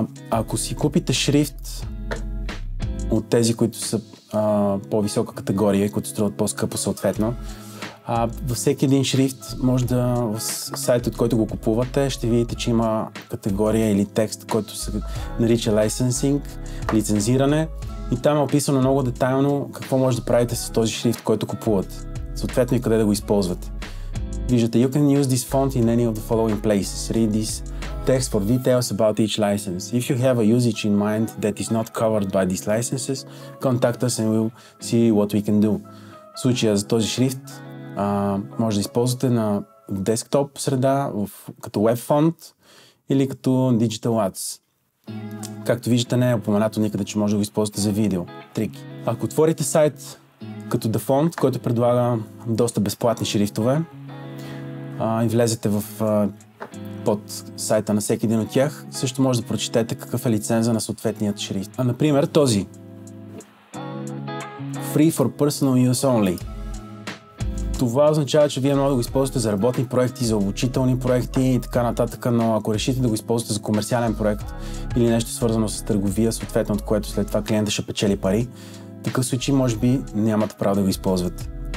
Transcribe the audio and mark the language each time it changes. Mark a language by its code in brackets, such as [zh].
[bg] Ако си купите шрифт от тези, които са по-висока категория и които струват по-скъпо съответно, във всеки един шрифт може да в сайта, от който го купувате, ще видите, че има категория или текст, който се нарича licensing, лицензиране, и там е описано много детайлно какво може да правите с този шрифт, който купувате, съответно и къде да го използвате. Виждате, [en] you can use this font in any of the following places. Read this text for details about each license. If you have a usage in mind that is not covered by these licenses, contact us and we'll see what we can do. [bg] В случая за този шрифт може да използвате на десктоп среда, като web font или като digital ads. Както виждате, не е упоменато никъде, че може да го използвате за видео. Трики. Ако отворите сайт като Dafont, който предлага доста безплатни шрифтове, и влезете в под сайта на всеки един от тях, също може да прочетете какъв е лиценза на съответният шрифт. А, например, този. [en] Free for personal use only. [bg] Това означава, че вие може да го използвате за работни проекти, за обучителни проекти и така нататък, но ако решите да го използвате за комерциален проект или нещо свързано с търговия, съответно от което след това клиентът ще печели пари, в такъв случай може би нямате право да го използвате.